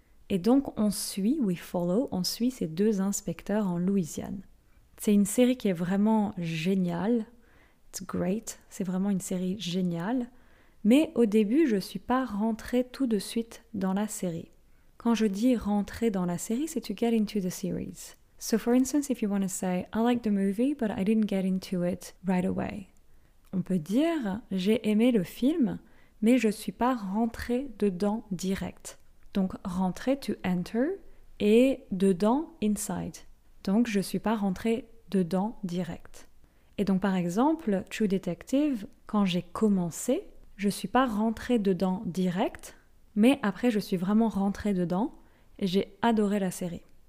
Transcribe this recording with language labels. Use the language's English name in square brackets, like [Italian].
[French] Et donc on suit, [English] we follow, [French] on suit ces deux inspecteurs en Louisiane. C'est une série qui est vraiment géniale. [English] It's great, [French] c'est vraiment une série géniale. Mais au début, je ne suis pas rentrée tout de suite dans la série. Quand je dis rentrer dans la série, c'est [English] to get into the series. So for instance, if you want to say, I like the movie, but I didn't get into it right away. [French] On peut dire, j'ai aimé le film, mais je ne suis pas rentrée dedans direct. Donc, rentrer, [English] to enter, [French] et dedans, [English] inside. [French] Donc, je ne suis pas rentrée dedans direct. Et donc, par exemple, True Detective, quand j'ai commencé, je ne suis pas rentrée dedans direct, mais après, je suis vraiment rentrée dedans et j'ai adoré la série.